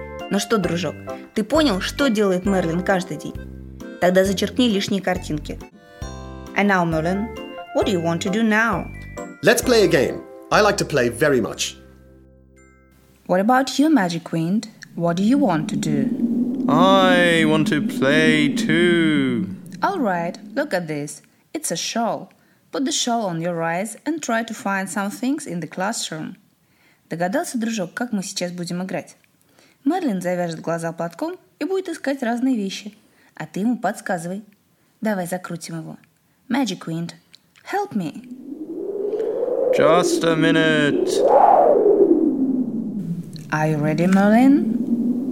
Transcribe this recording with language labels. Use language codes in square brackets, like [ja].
[ru] Ну что, дружок, ты понял, что делает Мерлин каждый день? Тогда зачеркни лишние картинки. [en] And now, Merlin, what do you want to do now? Let's play a game. I like to play very much. What about you, Magic Queen? What do you want to do? I want to play too. All right, look at this. It's a shawl. Put the shawl on your eyes and try to find some things in the classroom. [ru] Догадался, дружок, как мы сейчас будем играть? Мерлин завяжет глаза платком и будет искать разные вещи. А ты ему подсказывай. Давай закрутим его. [en] Magic Wind, help me. Just a minute. Are you ready, Merlin?